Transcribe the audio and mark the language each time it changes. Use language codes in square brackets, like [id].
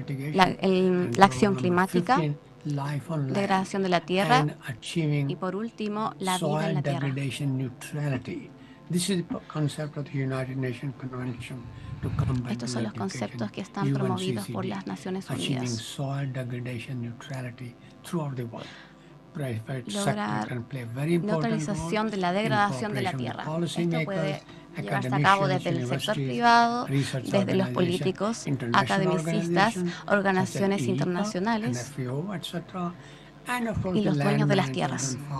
[es] La acción climática, degradación de la tierra y por último, la vida en la tierra. [en] This is the concept of the United Nations Convention to Combat [es] Estos son los conceptos que están promovidos por las Naciones Unidas. [en] Soil degradation neutrality throughout the world. [es] Lograr neutralización de la degradación de la tierra. Esto puede llevarse a cabo desde el sector privado, desde los políticos, academicistas, organizaciones internacionales y los dueños de las tierras.